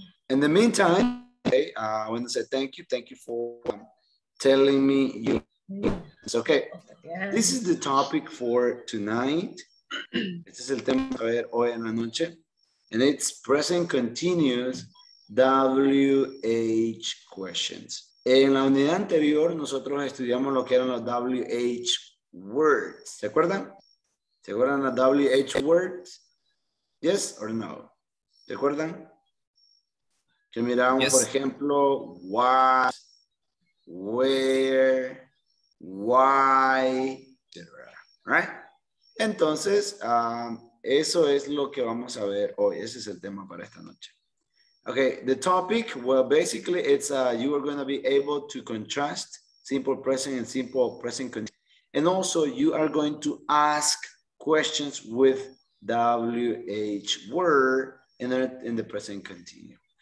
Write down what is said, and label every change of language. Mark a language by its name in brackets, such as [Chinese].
[English] In the meantime, okay, I want to say thank you for telling me you. It's okay. This is the topic for tonight. [Spanish] Este es el tema a ver hoy en la noche. [English] And it's present continuous WH questions. [Spanish] En la unidad anterior, nosotros estudiamos lo que eran los WH words. ¿Se acuerdan? ¿Se acuerdan las WH words? [English] ¿Yes or no? [Spanish] ¿Se acuerdan? Que miramos, yes. Por ejemplo, what, where, why, etc. Right? Entonces, eso es lo que vamos a ver hoy. Ese es el tema para esta noche. [English] Okay, the topic, well, basically it's you are going to be able to contrast simple present and simple present continuous. And also you are going to ask questions with WH word in the present continuous.